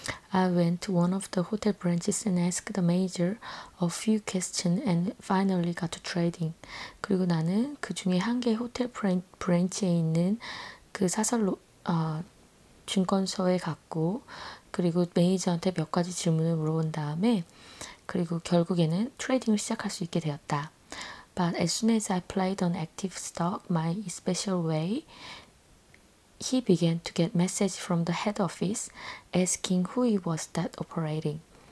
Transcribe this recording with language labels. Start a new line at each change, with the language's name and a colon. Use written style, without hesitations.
English: I went to one of the hotel branches and asked the manager a few questions and finally got to trading.
Korean: 그리고 나는 그 중에 한개 호텔 브랜치에 있는 그 사설로 증권소에 갔고, 그리고 매니저한테 몇 가지 질문을 물어본 다음에, 그리고 결국에는 트레이딩을 시작할 수 있게 되었다.
English: But as soon as I played on active stock, my special way, he began to get message from the head office asking who he was that operating.